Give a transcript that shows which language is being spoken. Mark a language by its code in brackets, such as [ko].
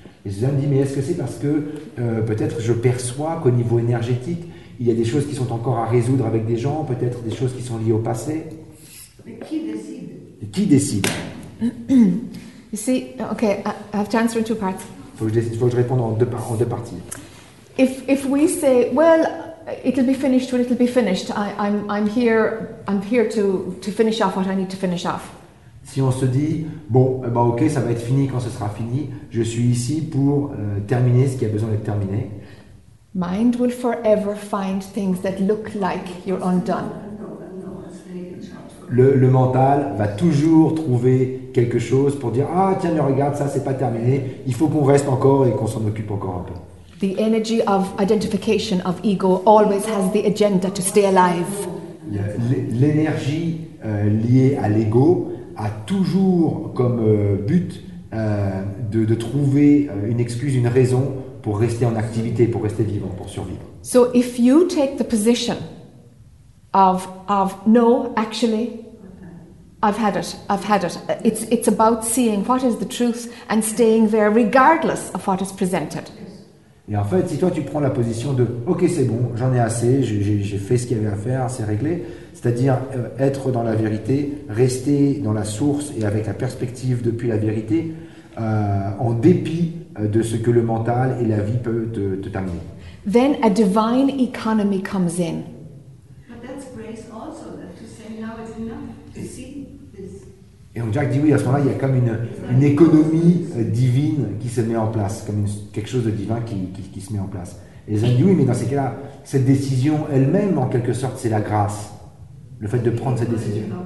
[fr] Et Suzanne dit, mais est-ce que c'est parce que peut-être je perçois qu'au niveau énergétique, il y a des choses qui sont encore à résoudre avec des gens, peut-être des choses qui sont liées au passé? Qui décide? [en] You see, okay, I have to answer in two parts. [fr] Faut que je réponde en deux parties. [en] if we say, well, it'll be finished when it'll be finished. I'm here to finish off what I need to finish off. [fr] Si on se dit, bon, ben ok, ça va être fini quand ce sera fini. Je suis ici pour terminer ce qui a besoin d'être terminé. [en] Mind will forever find things that look like you're undone. [fr] Le mental va toujours trouver quelque chose pour dire, ah tiens, mais regarde, ça c'est pas terminé. Il faut qu'on reste encore et qu'on s'en occupe encore un peu. [en] The energy of identification of ego always has the agenda to stay alive. [fr] L'énergie liée à l'ego a toujours comme but de trouver une excuse, une raison pour rester en activité, pour rester vivant, pour survivre. [en] So if you take the position of no, actually, I've had it. It's about seeing what is the truth and staying there regardless of what is presented. [fr] Et en fait, si toi tu prends la position de « Ok, c'est bon, j'en ai assez, j'ai fait ce qu'il y avait à faire, c'est réglé », c'est-à-dire être dans la vérité, rester dans la source et avec la perspective depuis la vérité, en dépit de ce que le mental et la vie peuvent te terminer. [en] Then a divine economy comes in. But that's grace also, that to say now is enough, to see this. [fr] Et on dit oui, à ce moment-là, il y a comme une économie divine qui se met en place, comme quelque chose de divin qui se met en place. Et Zen dit oui, mais dans ces cas-là, cette décision elle-même, en quelque sorte, c'est la grâce. Le fait de prendre cette décision.